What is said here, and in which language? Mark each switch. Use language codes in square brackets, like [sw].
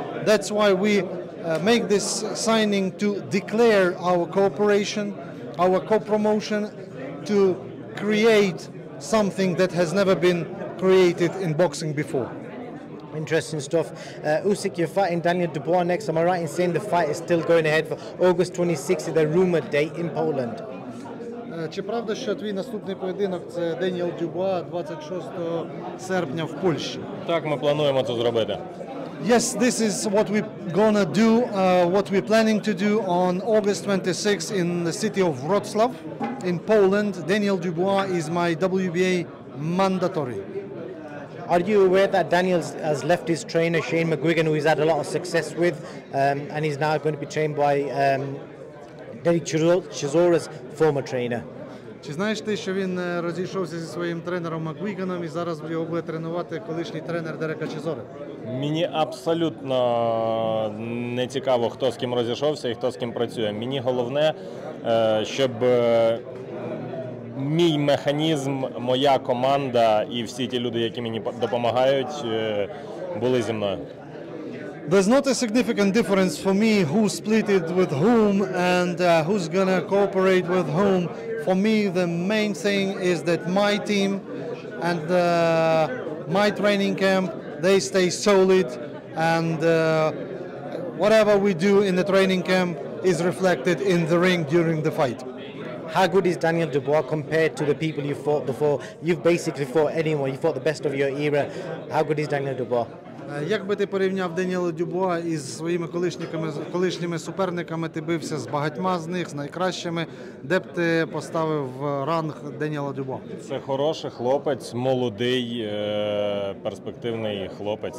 [en] That's why we make this signing to declare our cooperation, our co-promotion, to create something that has never been created in boxing before. Interesting stuff. Usyk, you're fighting Daniel Dubois next. Am I right in saying the fight is still going ahead for August 26th, the rumored date in Poland? [uk] Чи правда, що твій наступний поєдинок – це Даніел Дюбуа 26 серпня в Польщі? Так, ми плануємо це зробити. [en] Yes, this is what we're gonna do, what we're planning to do on August 26th in the city of Wrocław in Poland. Daniel Dubois is my WBA mandatory. Are you aware that Daniel has left his trainer, Shane McGuigan, who he's had a lot of success with, and he's now going to be trained by Derek Chisora's former trainer? [uk] Чи знаєш ти, що він розійшовся зі своїм тренером Макгвіганом, і зараз його буде тренувати колишній тренер Дерека Чезори? Мені абсолютно не цікаво, хто з ким розійшовся і хто з ким працює. Мені головне, щоб мій механізм, моя команда і всі ті люди, які мені допомагають, були зі мною. [en] There's not a significant difference for me who split it with whom and who's gonna cooperate with whom. For me, the main thing is that my team and my training camp, they stay solid And whatever we do in the training camp is reflected in the ring during the fight. How good is Daniel Dubois compared to the people you fought before? You've basically fought anyone. You fought the best of your era. How good is Daniel Dubois? [uk] Як би ти порівняв Даніела Дюбуа із своїми колишніми суперниками? Ти бився з багатьма з них, з найкращими. Де б ти поставив ранг Даніела Дюбуа? Це хороший хлопець, молодий, перспективний хлопець.